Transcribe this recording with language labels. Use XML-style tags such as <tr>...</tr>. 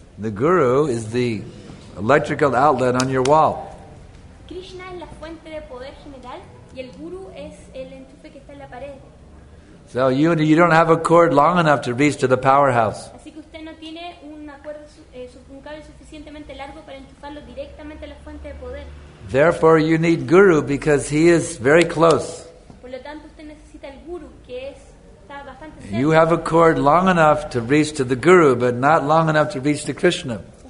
<en>The Guru is the electrical outlet on your wall.</en> <es>Krishna es la fuente de poder general y el Guru es el enchufe que está en la pared.</es> <en>So you don't have a cord long enough to reach to the powerhouse.</en> <es>Así que usted no tiene un cable suficientemente largo para enchufarlo directamente a la fuente de poder.</es> <en>Therefore you need Guru because he is very close.</en> <es>Por lo tanto usted necesita el Guru que está bastante cerca.</es> <en>You have a cord long enough to reach to the Guru but not long enough to reach to Krishna.</en>